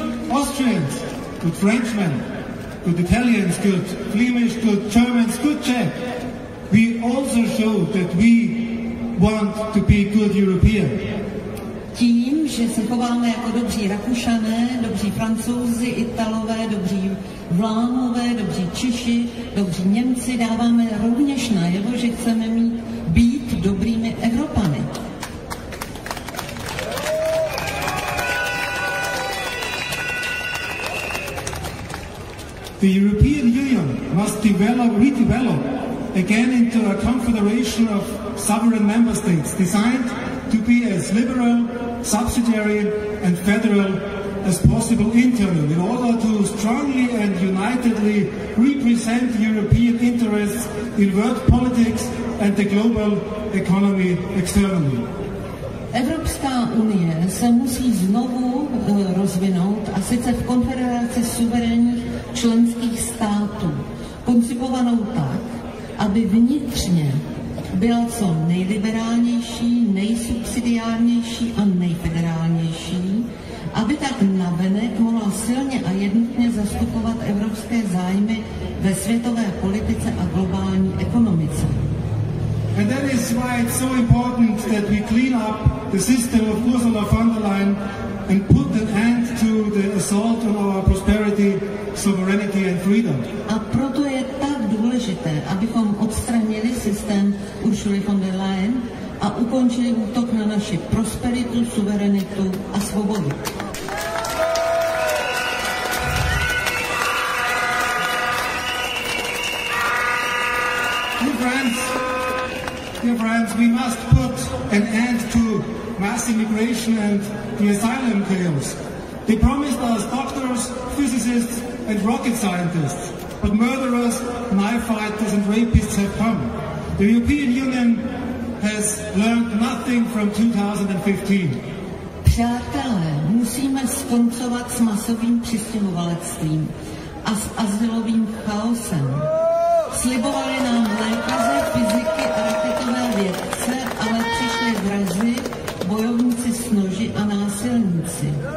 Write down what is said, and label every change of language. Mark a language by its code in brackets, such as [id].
[en] Austrians, good Frenchmen, good Italians, good Flemish, good Germans, good Czech. We also showed that we want to be good European. [cs] Tím, že se chováme jako dobří Rakušané, dobří Francouzi, Italové, dobří Vlámové, dobří Češi, dobří Němci, dáváme rovněž najevo, že chceme mít být dobrými Evropany. [en] The European Union must develop, redevelop again into a confederation of sovereign member states designed to be as liberal, subsidiary and federal as possible internally in order to strongly and unitedly represent European interests in world politics and the global economy externally. [cs] Evropská unie se musí znovu rozvinout, a sice v konfederaci suverénních členských států, koncipovanou tak, aby vnitřně byla co nejliberálnější, nejsubsidiárnější a nejfederálnější, aby tak navenek mohla silně a jednotně zastupovat evropské zájmy ve světové politice a globální ekonomice. [en] And that is why it's so important that we clean up the system of Ursula von der Leyen and put an end to the assault on our prosperity, sovereignty and freedom. [cs] A proto je tak důležité, abychom odstranili systém Ursula von der Leyen a ukončili útok na naši prosperitu, suverenitu a svobodu. [en] Dear friends, we must put an end to mass immigration and the asylum chaos. They promised us doctors, physicists and rocket scientists, but murderers, knife fighters and rapists have come. The European Union has learned nothing from 2015. [cs] Přátelé, musíme skoncovat s masovým přistěhovalectvím a s azylovým chaosem. Slibovali nám lékaře, fyziky a raketové vědce, ale přišli vrazi, bojovníci s noži a násilníci.